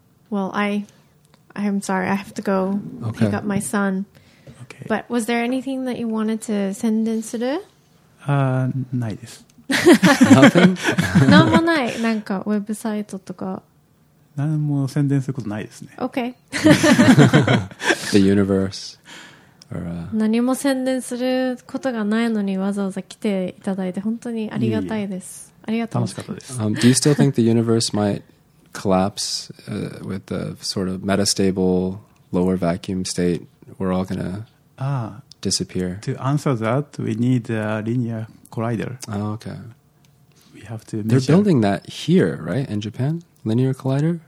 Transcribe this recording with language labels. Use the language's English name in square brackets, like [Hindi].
[English] Well, I'm sorry. I have to go pick up my son. Okay. But was there anything that you wanted to send in to do? [Japanese] ないです。 [English] Nothing? [Japanese] なんもない。なんかウェブサイトとか。なんも宣伝することないですね。 [English] Okay. The universe. Or, [Japanese] 何も宣伝することがないのにわざわざ来ていただいて本当にありがたいです。いえいえ。ありがとうございます。楽しかったです。 [English] Do you still think the universe might collapse with the sort of metastable lower vacuum state? We're all going to disappear. To answer that, we need a linear collider. Oh, okay. We have to measure. They're building that here, right? In Japan? Linear collider?